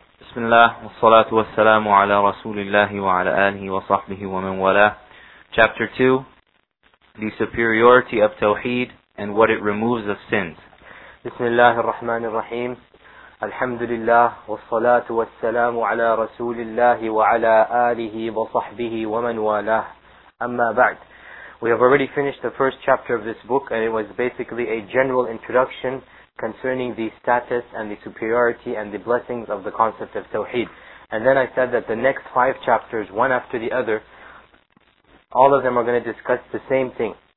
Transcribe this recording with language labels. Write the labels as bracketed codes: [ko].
[ar] بسم الله والصلاة والسلام على رسول الله وعلى آله وصحبه ومن والاه. [en] Chapter 2, The Superiority of Tawheed and What It Removes of Sins. [ar] بسم الله الرحمن الرحيم. الحمد لله والصلاة والسلام على رسول الله وعلى آله وصحبه ومن والاه. أما بعد, [en] we have already finished the first chapter of this book, and it was basically a general introduction concerning the status and the superiority and the blessings of the concept of Tawheed. And then I said that the next five chapters, one after the other, all of them are going to discuss the same thing.